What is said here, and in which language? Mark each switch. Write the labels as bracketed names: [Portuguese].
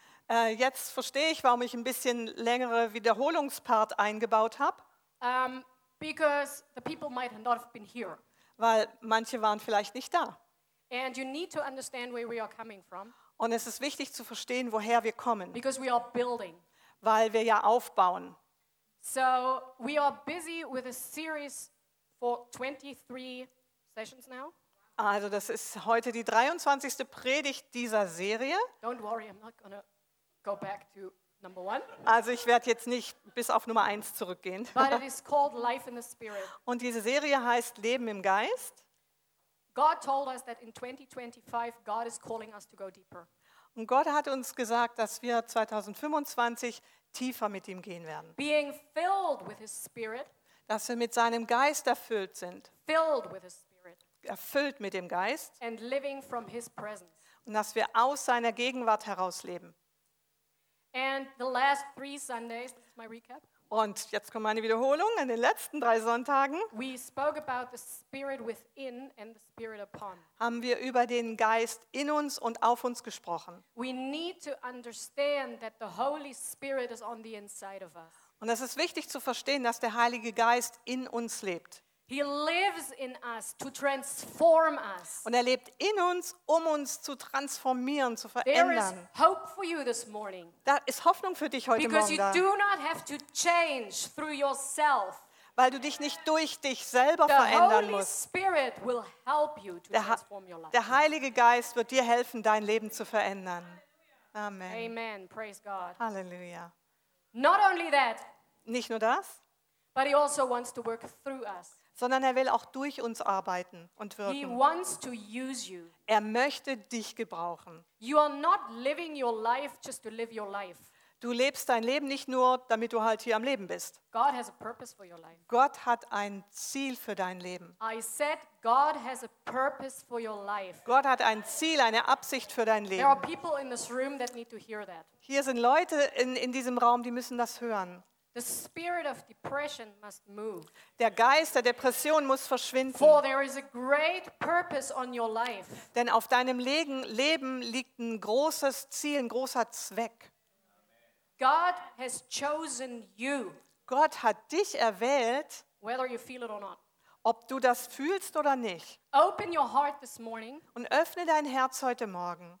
[German] Jetzt verstehe ich, warum ich ein bisschen längere Wiederholungspart eingebaut habe. [English] Because the people might not have been here. [German] Weil manche waren vielleicht nicht da. [English] And you need to understand where we are coming from. [German] Und es ist wichtig zu verstehen, woher wir kommen. [English] Because we are building. [German] Weil wir ja aufbauen. [English] So we are busy with a series for 23 sessions now. [German] Also das ist heute die 23. Predigt dieser Serie. [English] Don't worry, I'm not gonna go back to number one. [German] Also ich werde jetzt nicht bis auf Nummer 1 zurückgehen. [English] But it is called Life in the Spirit. [German] Und diese Serie heißt Leben im Geist. [English] God told us that in 2025 God is calling us to go deeper. [German] Und Gott hat uns gesagt, dass wir 2025 tiefer mit ihm gehen werden. [English] Being filled with his spirit, [German] dass wir mit seinem Geist erfüllt sind. [English] Filled with his spirit, [German] erfüllt mit dem Geist. [English] And living from his presence. [German] Und dass wir aus seiner Gegenwart heraus leben. [English] And the last three Sundays, this is my recap. [German] Und jetzt kommt meine Wiederholung an den letzten drei Sonntagen. [English] We spoke about the spirit within and the spirit upon. [German] Haben wir über den Geist in uns und auf uns gesprochen. [English] We need to understand that the Holy Spirit is on the inside of us. [German] Und es ist wichtig zu verstehen, dass der Heilige Geist in uns lebt. [English] He lives in us to transform us. [German] Und er lebt in uns, um uns zu transformieren, zu verändern. [English] There is hope for you this morning. [German] Da ist Hoffnung für dich heute [English] Because [German] Morgen da. [English] Do not have to change through yourself. [German] Weil du dich nicht durch dich selber verändern musst. [English] The Holy Spirit will help you to transform your life. [German] Der Heilige Geist wird dir helfen, dein Leben zu verändern. [English] Amen. Amen. Praise God. [German] Halleluja. [English] Not only that, [German] nicht nur das, [English] but he also wants to work through us. [German] Sondern er will auch durch uns arbeiten und wirken. [English] He wants to use you. [German] Er möchte dich gebrauchen. [English] You are not living your life just to live your life. [German] Du lebst dein Leben nicht nur, damit du halt hier am Leben bist. [English] God has a purpose for your life. [German] Gott hat ein Ziel für dein Leben. [English] I said God has a purpose for your life. [German] Gott hat ein Ziel, eine Absicht für dein Leben. [English] There are people in this room that need to hear that. [German] Hier sind Leute in diesem Raum, die müssen das hören. [English] The spirit of depression must move. [German] Der Geist der Depression muss verschwinden. [English] For there is a great purpose on your life. [German] Denn auf deinem Leben liegt ein großes Ziel, ein großer Zweck. [English] God has chosen you. [German] Gott hat dich erwählt. [English] Whether you feel it or not. [German] Ob du das fühlst oder nicht. [English] Open your heart this morning. [German] Und öffne dein Herz heute Morgen.